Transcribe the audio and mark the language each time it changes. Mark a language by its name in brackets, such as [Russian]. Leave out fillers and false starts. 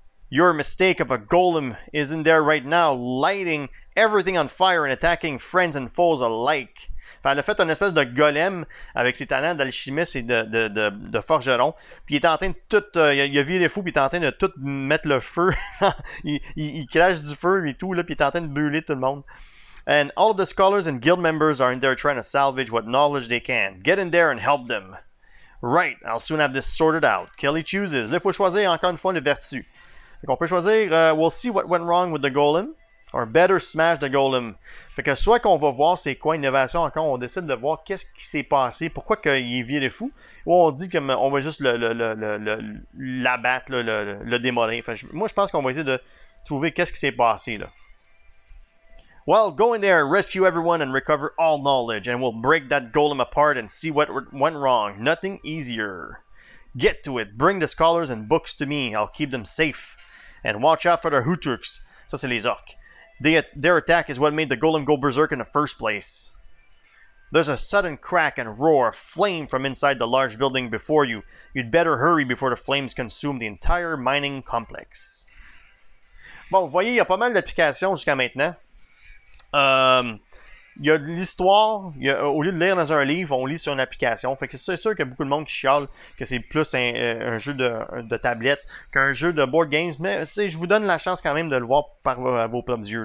[English] Your mistake of a golem is in there right now, lighting everything on fire and attacking friends and foes alike. [French] Enfin, elle a fait une espèce de golem avec ses talents d'alchimiste et de forgeron. Puis il est en train de tout... il a viré fou, puis il est en train de tout mettre le feu. il crache du feu et tout, là, puis il est en train de brûler tout le monde. [English] And all of the scholars and guild members are in there trying to salvage what knowledge they can. Get in there and help them. Right, I'll soon have this sorted out. Kelly chooses. [French] Là, il faut choisir encore une fois le vertu. Donc, on peut choisir... [English] we'll see what went wrong with the golem. Or better smash the golem. [French] Fait que soit qu'on va voir c'est quoi innovation encore, on décide de voir qu'est-ce qui s'est passé, pourquoi qu'il est viré fou, ou on dit qu'on va juste l'abattre, le démolir. Fait que moi, je pense qu'on va essayer de trouver qu'est-ce qui s'est passé, là. [English] Well, go in there, rescue everyone and recover all knowledge, and we'll break that golem apart and see what went wrong. Nothing easier. Get to it. Bring the scholars and books to me. I'll keep them safe. And watch out for the Hutuks. [French] Ça, c'est les orques. [English] Their attack is what made the golem go berserk in the first place. There's a sudden crack and roar, flame from inside the large building before you. You'd better hurry before the flames consume the entire mining complex. [French] Bon, vous voyez, il y a pas mal d'applications jusqu'à maintenant. Il y a de l'histoire. Au lieu de lire dans un livre, on lit sur une application. Fait que c'est sûr qu'il y a beaucoup de monde qui chiale que c'est plus un jeu de tablette qu'un jeu de board games. Mais c'est, je vous donne la chance quand même de le voir par vos propres yeux.